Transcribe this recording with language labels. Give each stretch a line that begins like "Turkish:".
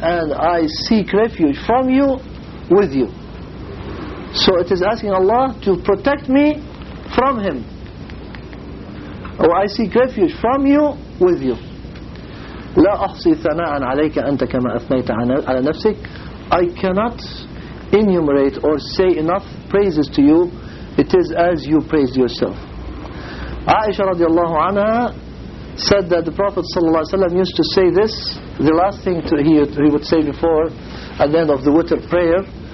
English: And I seek refuge from you, with you. So it is asking Allah to protect me from him. I seek refuge from you, with you.
Arabic: لا أحصي ثناء عليك أنت كما أثنيت على نفسك.
English: I cannot enumerate or say enough praises to you. It is as you praise yourself. Aisha
Arabic: رضي الله عنها
English: said that the Prophet
Arabic: صلى الله عليه وسلم
English: used to say this, the last thing he would say before at the end of the witr prayer.